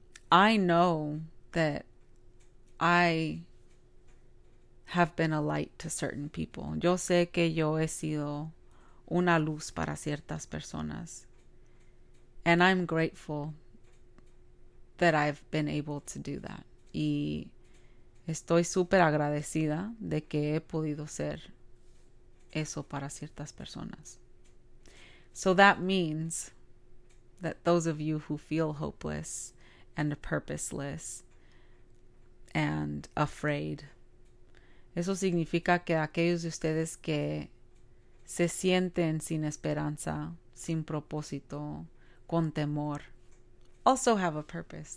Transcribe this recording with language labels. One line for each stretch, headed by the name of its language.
English: I know that I have been a light to certain people.
Spanish: Yo sé que yo he sido una luz para ciertas personas.
English: And I'm grateful that I've been able to do that.
Spanish: Y estoy súper agradecida de que he podido ser eso para ciertas personas.
English: So that means that those of you who feel hopeless and purposeless and afraid,
Spanish: eso significa que aquellos de ustedes que se sienten sin esperanza, sin propósito, con temor,
English: also have a purpose.